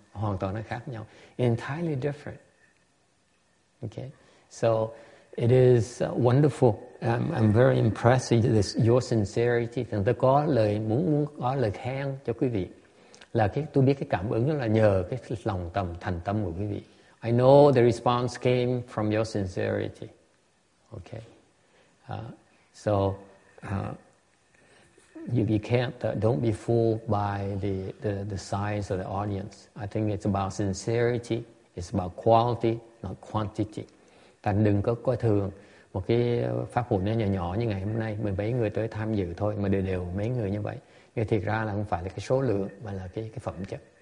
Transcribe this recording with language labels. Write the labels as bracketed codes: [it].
[vi] Hoàn toàn nó khác nhau. [en] Entirely different. Okay. So it is wonderful. I'm very impressed with this, your sincerity. [vi] Thì tôi có lời muốn có lời khen cho quý vị. Là cái, tôi biết cái cảm ứng là nhờ cái lòng tâm thành tâm của quý vị. [en] I know the response came from your sincerity. Okay. So you can't don't be fooled by the size of the audience. I think it's about sincerity. It's about quality, not quantity. [vi] Thành đừng có coi thường một cái pháp hội nó nhỏ nhỏ như ngày hôm nay, 17 người tới tham dự thôi mà đều mấy người như vậy. Thì thiệt ra là không phải là cái số lượng mà là cái phẩm chất.